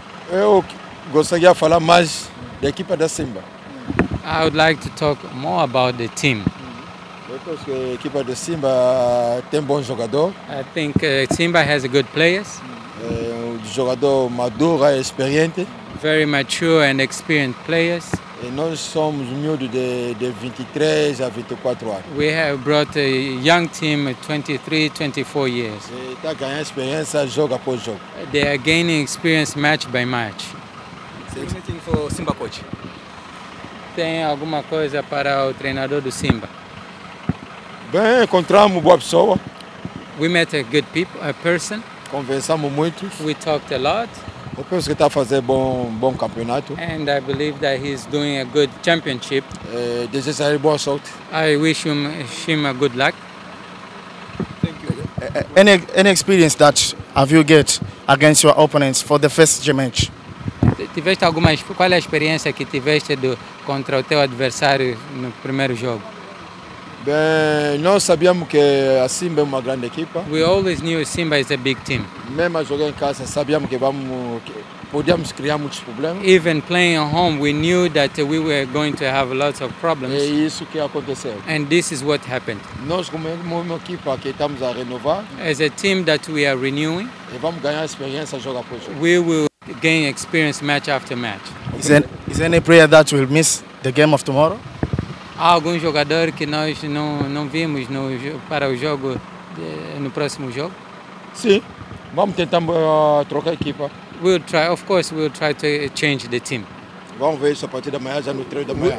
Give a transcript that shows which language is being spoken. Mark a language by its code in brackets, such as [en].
[pt] Eu gostaria de falar mais da equipa da Simba. [en] I would like to talk more about the team. [pt] Depois que a equipa da Simba tem bom jogador. [en] I think Simba has a good players. [pt] Jogador maduro e experiente. [en] Very mature and experienced players. [pt] E nós somos miúdos de 23 a 24 anos. [en] We have brought a young team 23, 24 years. [pt] Está ganhando experiência jogo após jogo. [en] They are gaining experience match by match. Anything for Simba coach? [pt] Tem alguma coisa para o treinador do Simba? Bem, encontramos boa pessoa. [en] We met a good people, a person. [pt] Conversamos muito. [en] We talked a lot. [pt] Eu penso que está a fazer bom campeonato. [en] And I believe that he's doing a good championship. [pt] Desejo a ele boa sorte. [en] I wish him a good luck. Thank you. Any experience that have you get against your opponents for the first match? [pt] Tiveste alguma, qual é a experiência que tiveste contra o teu adversário no primeiro jogo? Bem, nós sabíamos que a Simba é uma grande equipa. [en] We always knew Simba is a big team. [pt] Mesmo a jogar em casa, sabíamos que podíamos criar muitos problemas. [en] Even playing at home, we knew that we were going to have lots of problems. [pt] É isso que aconteceu. [en] And this is what happened. [pt] Nós como uma equipa que estamos a renovar. [en] As a team that we are renewing. [pt] E vamos ganhar experiência jogo após jogo. [en] We will gain experience match after match. Is any player that will miss the game of tomorrow? [pt] Há algum jogador que nós não vimos para o jogo, no próximo jogo? Sim, vamos tentar trocar a equipa. [en] We'll try, of course, we'll try to change the team. [pt] Vamos ver isso a partir da manhã, já no treino da manhã.